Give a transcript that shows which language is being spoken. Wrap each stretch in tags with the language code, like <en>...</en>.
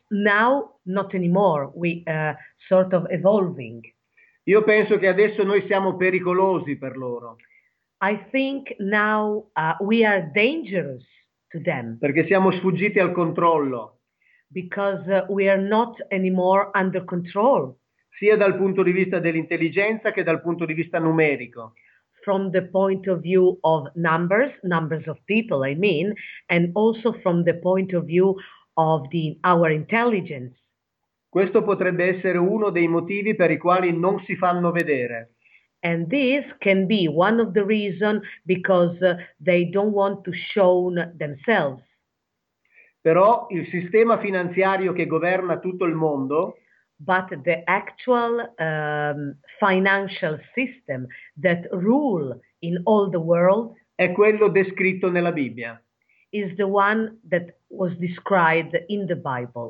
<en>Now not anymore. We sort of evolving.</en> <it>Io penso che adesso noi siamo pericolosi per loro.</it> <en>I think now we are dangerous to them</en> <it>Perché siamo sfuggiti al controllo.</it> <en>because we are not anymore under control.</en> <it>Sia dal punto di vista dell'intelligenza che dal punto di vista numerico.</it> <en>From the point of view of numbers of people, I mean, and also from the point of view of our intelligence.</en> <it>Questo potrebbe essere uno dei motivi per i quali non si fanno vedere.</it> <en>And this can be one of the reasons because they don't want to show themselves.</en> <it>Però il sistema finanziario che governa tutto il mondo</it> <en>But the actual financial system that rule in all the world</en> <it>è quello descritto nella Bibbia, applicato</it> <en>is the one that was described in the Bible.</en>